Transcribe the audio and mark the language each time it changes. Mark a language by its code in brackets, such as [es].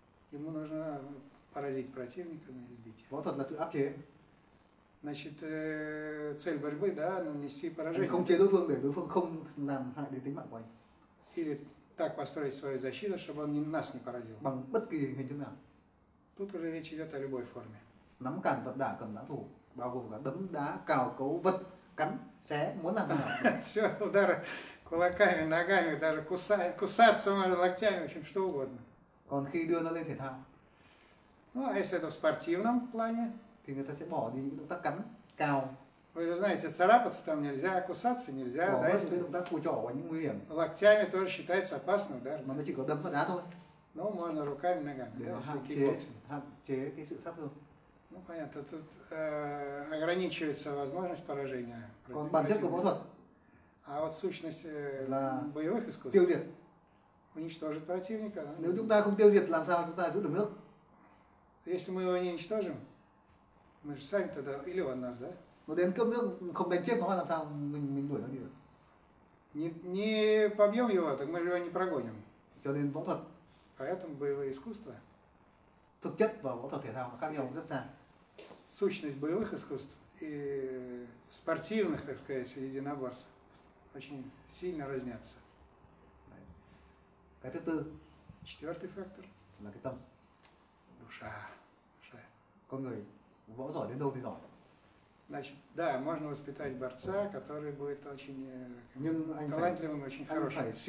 [ru] Ему нужно поразить противника на избитие. Вот одна апке. Значит, цель борьбы, да, нанести поражение. [vi] Không chế đối phương để đối phương không làm hại đến tính mạng của anh. [ru] Или так построить свою защиту, чтобы он нас не поразил. [vi] Bằng bất kỳ hình thức nào. [ru] Тут уже речь идет о любой форме. [vi] Nắm cản, vật đả, cầm đá thủ, bao gồm cả đấm đá, cào cấu, vật, cắn, xé, muốn làm nào. [ru] Все, удары кулаками, ногами, даже кусаться можно локтями, в общем, что угодно. [vi] Còn khi đưa nó lên thể thao. [ru] Ну, а если это в спортивном плане, [vi] thì người ta sẽ bỏ đi những động tác cắn, cào. [ru] Вы же знаете, царапаться там нельзя, кусаться нельзя, [vi] bỏ [ru] да, если [vi] động tác cùi chỏ và những nguy hiểm. [ru] Локтями тоже считается опасным, да? [vi] Mà nó chỉ có đấm và đá thôi. [ru] Ну, можно руками, ногами, [vi] để [ru] да, [vi] hạn chế cái sự sát thương. [ru] Ну, понятно, тут ограничивается возможность поражения. [vi] Còn bản chất của võ thuật. [ru] А вот сущность [vi] là [ru] боевых искусств. [vi] Tiêu diệt. [ru] Уничтожить противника. Да? [vi] Nếu chúng ta không tiêu diệt, làm sao chúng ta giữ được nước? [ru] Если мы его не уничтожим, мы же сами тогда или он нас, да? [vi] Но đến cướp nước không đánh chết nó làm sao mình đuổi nó đi được? [ru] Не побьем его, так мы же его не прогоним. [vi] Cho nên võ thuật. [ru] Поэтому боевое искусство. [vi] Thực chất và võ thuật thể thao khác nhau rất xa. [ru] Сущность боевых искусств и спортивных, так сказать, единоборств очень сильно разнятся. [vi] Cái thứ tư. [ru] Четвертый фактор. [vi] Là cái tâm. [ru] Душа. [vi] Con người võ giỏi đến đâu thì giỏi. [ru] Значит, да, можно воспитать борца, который будет очень талантливым, очень хорошим.